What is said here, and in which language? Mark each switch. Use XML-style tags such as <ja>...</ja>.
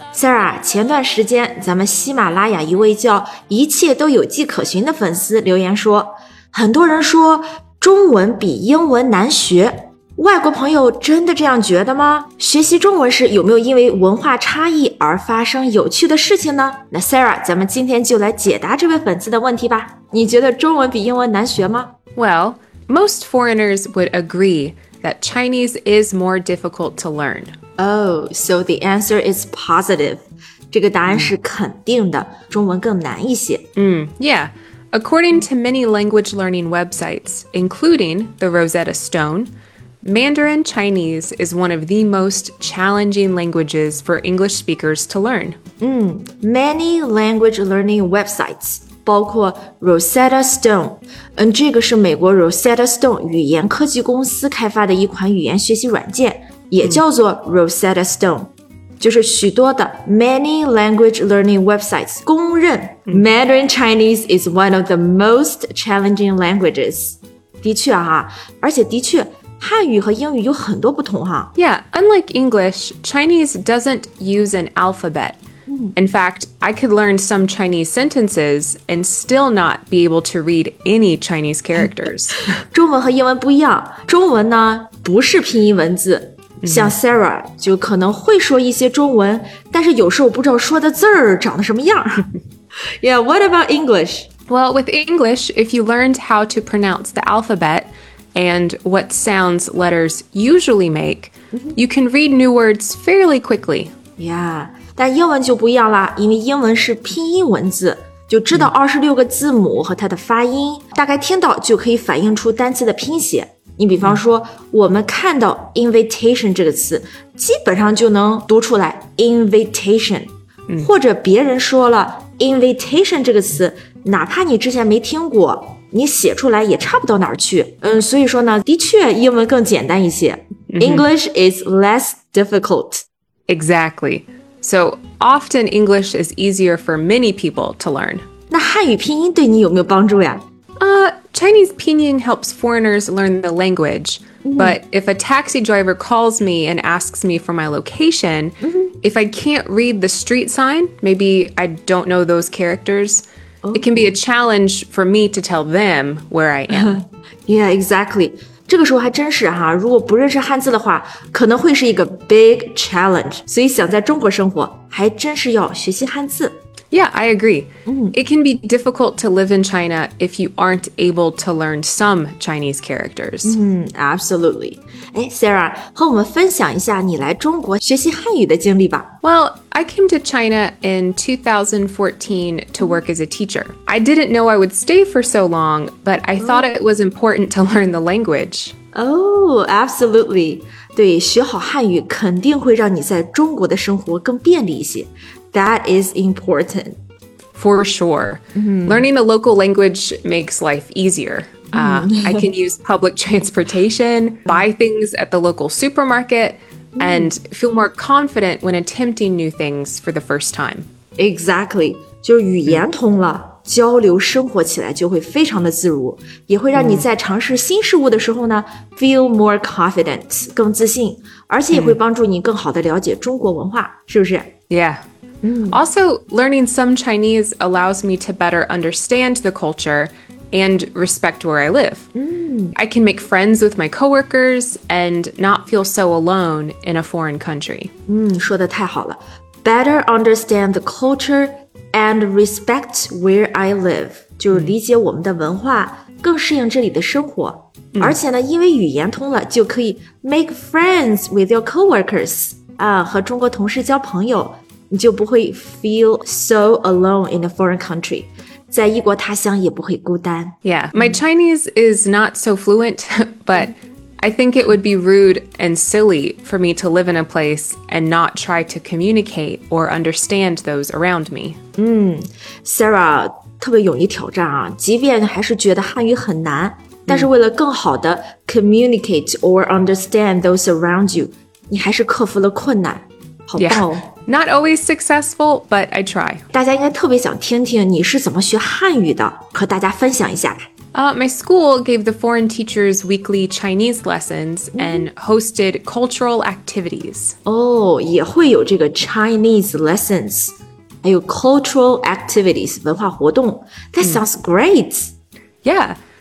<zh>Sarah, 前段时间咱们喜马拉雅一位叫一切都有迹可循的粉丝留言说，很多人说中文比英文难学，外国朋友真的这样觉得吗？学习中文时有没有因为文化差异而发生有趣的事情呢？那 Sarah, 咱们今天就来解答这位粉丝的问题吧。你觉得中文比英文难学吗？</zh> <en>Well, most foreigners would agree that Chinese is more difficult to learn. Oh, so the answer is positive.</en> <zh>这个答案是肯定的，中文更难一些。</zh> <en>Yeah. According to many language learning websites, including the Rosetta Stone, Mandarin Chinese is one of the most challenging languages for English speakers to learn. Many language learning websites,</en> <zh>包括 Rosetta Stone, 这个是美国 Rosetta Stone 语言科技公司开发的一款语言学习软件，也叫做 Rosetta Stone。就是许多的</zh> <en>many language learning websites</en> <zh>公认</zh> <en>Mandarin Chinese is one of the most challenging languages.</en> <zh>的确啊，而且的确汉语和英语有很多不同啊。</zh> <en>Yeah, unlike English, Chinese doesn't use an alphabet. In fact, I could learn some Chinese sentences and still not be able to read any Chinese characters.</en> <zh>中文和英文不一样，中文呢不是拼音文字。像 Sarah 就可能会说一些中文，但是有时候不知道说的字儿长得什么样。</zh> <en>Yeah, what about English? Well, with English, if you learned how to pronounce the alphabet and what sounds letters usually make, you can read new words fairly quickly.</en> <zh>Yeah, 但英文就不一样了，因为英文是拼音文字，就知道26个字母和它的发音，大概听到就可以反映出单词的拼写。你比方说我们看到 invitation 这个词基本上就能读出来 invitation。或者别人说了 invitation 这个词哪怕你之前没听过你写出来也差不到哪儿去。所以说呢的确英文更简单一些。</zh> <en>English is less difficult. Exactly. So often English is easier for many people to learn.</en> <zh>那汉语拼音对你有没有帮助呀？</zh> <en>Chinese pinyin helps foreigners learn the language, but if a taxi driver calls me and asks me for my location, if I can't read the street sign, maybe I don't know those characters, it can be a challenge for me to tell them where I am. Yeah, exactly.</en> <zh>这个时候还真是哈，如果不认识汉字的话，可能会是一个</zh> <en>big challenge.</en> <zh>所以想在中国生活，还真是要学习汉字。</zh> <en>Yeah, I agree. It can be difficult to live in China if you aren't able to learn some Chinese characters. Absolutely. Hey,</en> <zh>Sarah, 和我们分享一下你来中国学习汉语的经历吧。</zh> <en>Well, I came to China in 2014 to work as a teacher. I didn't know I would stay for so long, but I thought it was important to learn the language. Oh, absolutely.</en> <zh>对，学好汉语肯定会让你在中国的生活更便利一些。</zh> <en>That is important. For sure. Learning the local language makes life easier. I can use public transportation, buy things at the local supermarket, and feel more confident when attempting new things for the first time. Exactly.</en> <zh>就语言通了，交流生活起来就会非常的自如，也会让你在尝试新事物的时候呢，</zh> <en>feel more confident,</en> <zh>更自信，而且也会帮助你更好的了解中国文化，是不是？</zh> <en>Yeah. Also, learning some Chinese allows me to better understand the culture and respect where I live. I can make friends with my coworkers and not feel so alone in a foreign country.</en> <zh>说得太好了。</zh> <en>Better understand the culture and respect where I live.</en> <zh>就是理解我们的文化，更适应这里的生活。而且呢，因为语言通了，就可以</zh> <en>make friends with your coworkers.</en> <zh>和中国同事交朋友。你就不会</zh> <en>feel so alone in a foreign country.</en> <zh>在异国他乡也不会孤单。</zh> <en>Yeah, my Chinese is not so fluent, but I think it would be rude and silly for me to live in a place and not try to communicate or understand those around me.</en> <zh>Sarah, 特别勇于挑战啊，即便还是觉得汉语很难，但是为了更好的</zh> <en>communicate or understand those around you,</en> <zh>你还是克服了困难，好棒哦。</zh> <en>Yeah. Not always successful, but I try.</en> <zh>大家应该特别想听听你是怎么学汉语的，和大家分享一下。</zh> <en>My school gave the foreign teachers weekly Chinese lessons and hosted cultural activities.</en> <zh>Oh, 也会有这个</zh> <en>Chinese lessons,</en> <zh>还有</zh> <en>cultural activities,</en> <zh>文化活动。</zh> <en>That sounds great. Yeah.</en>